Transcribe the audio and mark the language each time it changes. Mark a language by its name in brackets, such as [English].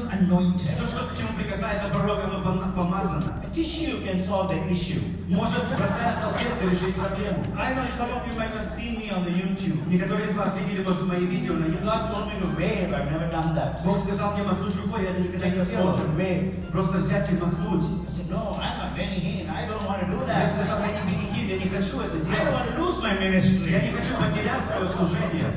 [Russian] То, что к чему прикасается пророк, оно помазано. [English] A tissue can solve the issue. [Russian] Может простая салфетка решить проблему. [English] I know some of you might have seen me on the YouTube. [Russian] Некоторые из вас видели, может, мои видео на YouTube. [English] God told me to wave. I've never done that. [Russian] Бог сказал мне махнуть рукой, я никогда не [English] делал. Wave. [Russian] Просто взять и махнуть. [English] I said, no, I'm a Benihin. I don't want to do that. [Russian] Я сказал, я не Benihin, я не хочу это делать. [English] I don't want to lose my ministry. [Russian] Я не хочу потерять свое служение.